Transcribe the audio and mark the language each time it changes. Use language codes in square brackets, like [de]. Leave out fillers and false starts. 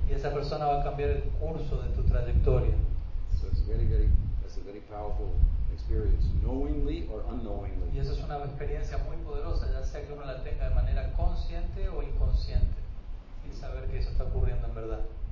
[es] Y esa persona va a cambiar el curso de tu trayectoria. [en] So it's very, very, that's a very powerful experience, knowingly or unknowingly. [es] Y esa es una experiencia muy poderosa, ya sea que uno la tenga de manera consciente o inconsciente, sin saber que eso está ocurriendo en verdad.